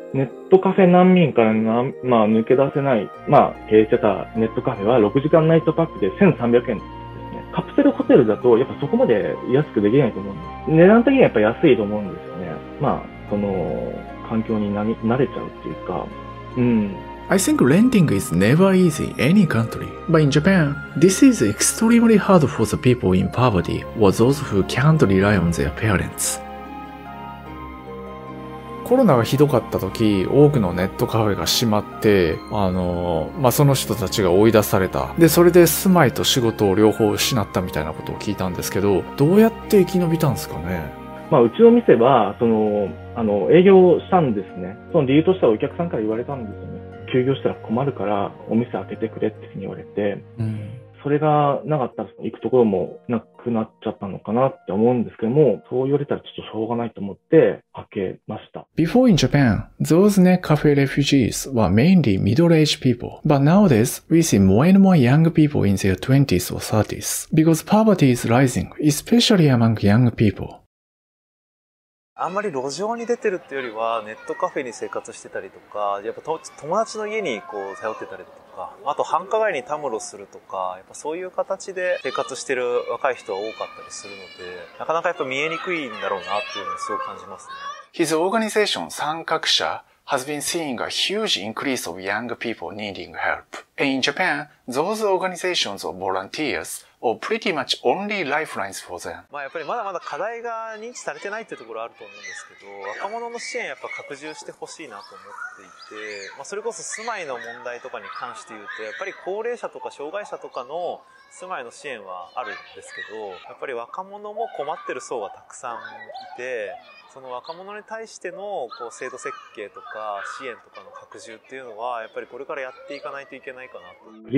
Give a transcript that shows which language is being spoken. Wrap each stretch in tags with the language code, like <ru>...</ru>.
<ja>ネットカフェ難民からな、まあ、抜け出せない、まあ、経営してたネットカフェは6時間ナイトパックで1300円ですね。カプセルホテルだとやっぱそこまで安くできないと思うんです。値段的にはやっぱ安いと思うんですよね。まあその環境に慣れちゃうっていうか。うん、</ja> <en>I think renting is never easy any country. But in Japan, this is extremely hard for the people in poverty or those who can't rely on their parents.</en> <ja>コロナがひどかった時、多くのネットカフェが閉まって、まあ、その人たちが追い出された。で、それで住まいと仕事を両方失ったみたいなことを聞いたんですけど、どうやって生き延びたんですかね？まあ、うちの店は、営業したんですね。その理由としてはお客さんから言われたんですよね。休業したら困るからお店開けてくれって言われて、それがなかったら行くところもなくなっちゃったのかなって思うんですけども、そう言われたらちょっとしょうがないと思って開けました。</ja> <en>Before in Japan, those net cafe refugees were mainly middle-aged people. But nowadays, we see more and more young people in their 20s or 30s. Because poverty is rising, especially among young people.</en> <ja>あんまり路上に出てるっていうよりはネットカフェに生活してたりとか、やっぱ友達の家にこう頼ってたりとか、あと繁華街にたむろするとか、やっぱそういう形で生活してる若い人は多かったりするので、なかなかやっぱ見えにくいんだろうなっていうのをすごく感じますね。</ja> <en>His organization 参画者has been seeing a huge increase of young people needing help. And in Japan, those organizations or volunteers are pretty much only lifelines for them.</en> <ja>まあやっぱりまだまだ課題が認知されてないっていうところあると思うんですけど、若者の支援やっぱ拡充してほしいなと思っていて、まあそれこそ住まいの問題とかに関して言うと、やっぱり高齢者とか障害者とかの住まいの支援はあるんですけど、やっぱり若者も困ってる層はたくさんいて、その若者に対してのこう制度設計とか支援とかの拡充っていうのはやっぱりこれからやっていかないといけないかなと。</ja>